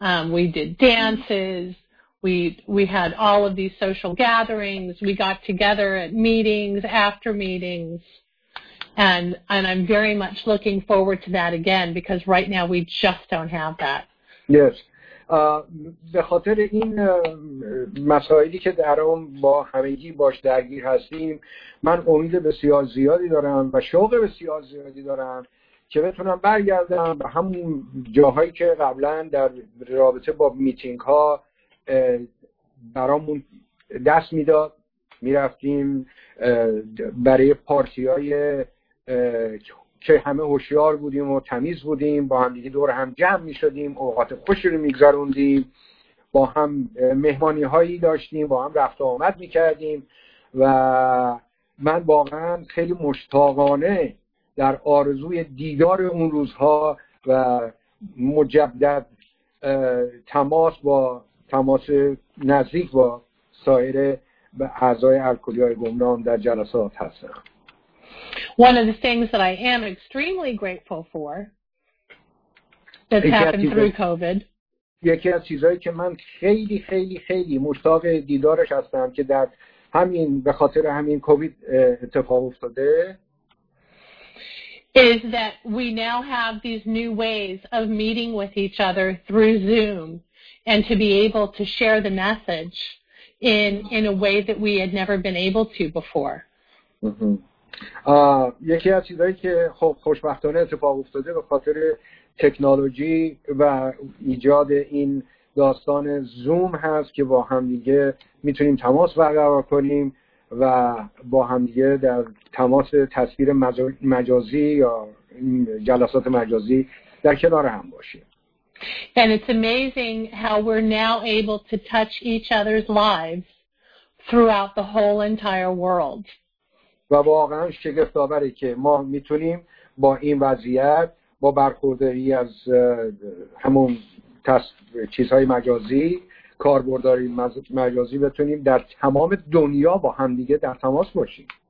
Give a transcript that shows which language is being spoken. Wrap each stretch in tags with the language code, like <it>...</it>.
<en>We did dances, we had all of these social gatherings, we got together at meetings, after meetings. And I'm very much looking forward to that again because right now we just don't have that. Yes.</en> <fa>به خاطر این مسائلی که در اون با همگی باش درگیر هستیم من امید بسیار زیادی دارم و شوق بسیار زیادی دارم که بتونم برگردم به همون جاهایی که قبلا در رابطه با میتینگ ها برامون دست میداد میرفتیم برای پارتی های که همه هوشیار بودیم و تمیز بودیم با هم دیگه دور هم جمع می شدیم اوقات خوشی رو می گذروندیم با هم مهمانی هایی داشتیم با هم رفت و آمد می کردیم و من واقعا خیلی مشتاقانه در آرزوی دیدار اون روزها و مجدد تماس با تماس نزدیک با سایر اعضای الکلی های گمنام در جلسات هستم.</fa> <en>One of the things that I am extremely grateful for that's happened through COVID.</en> <fa>یکی از چیزایی که من خیلی خیلی خیلی مشتاق دیدارش هستم که در همین به خاطر همین کووید اتفاق افتاده</fa> <en>is that we now have these new ways of meeting with each other through Zoom and to be able to share the message in a way that we had never been able to before.</en> <fa>یکی از چیزایی که خب خوشبختانه اتفاق افتاده به خاطر تکنولوژی و ایجاد این داستان زوم هست که با هم دیگه میتونیم تماس برقرار کنیم و با هم دیگه در تماس تصویر مجازی یا جلسات مجازی در کنار هم باشیم.</fa> <en>And it's amazing how we're now able to touch each other's lives throughout the whole entire world.</en> <fa>و واقعا شگفت‌آوره که ما میتونیم با این وضعیت با برخورداری از همون چیزهای مجازی کاربرداری مجازی بتونیم در تمام دنیا با همدیگه در تماس باشیم.</fa>